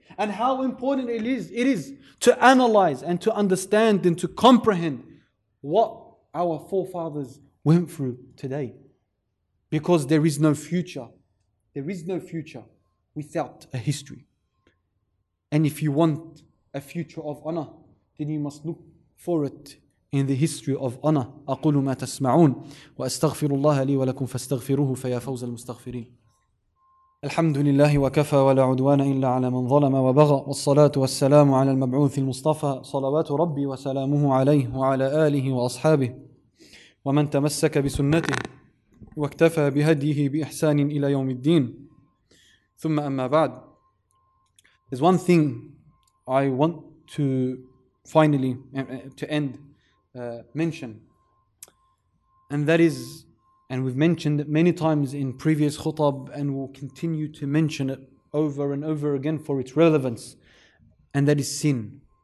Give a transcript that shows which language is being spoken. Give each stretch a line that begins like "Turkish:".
English: And how important it is to analyze and to understand and to comprehend what our forefathers went through today. Because there is no future. There is no future without a history. And if you want a future of honor, then you must look for it in the history of honor.
Arabic: أقول ما تسمعون وأستغفر الله لي ولكم فاستغفروه فيا فوز المستغفرين. الحمد لله وكفى ولا عدوان إلا على من ظلم وبغى والصلاة والسلام على المبعوث المصطفى صلوات ربي وسلامه عليه وعلى آله وأصحابه ومن تمسك بسنته واكتفى بهديه بإحسان إلى يوم الدين. ثم أما بعد,
English: there's one thing I want to finally to end mention, and that is, and we've mentioned it many times in previous khutab, and we'll continue to mention it over and over again for its relevance, and that is sin.